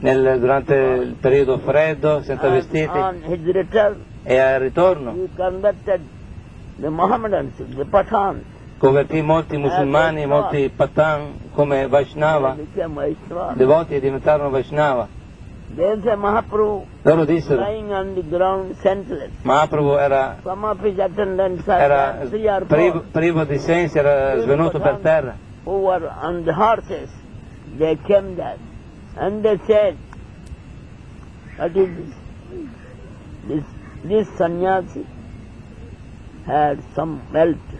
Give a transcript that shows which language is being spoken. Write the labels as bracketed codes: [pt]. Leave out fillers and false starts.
[it] Durante il periodo freddo, senza [en] and [it] vestiti. [en] On his return, [it] e al ritorno. [en] He converted the Mohammedans, the Pathans. [it] Convertì molti musulmani, molti Pathan come Vaishnava, devoti e diventarono Vaishnava. [en] There is a Mahaprabhu lying on the ground senseless. [it] Mahaprabhu era. [en] Some of his attendants are three or four. [it] Privo di sensi, era svenuto per terra. [en] Who were on the horses, they came there and they said, what is this? This sannyasi had some wealth.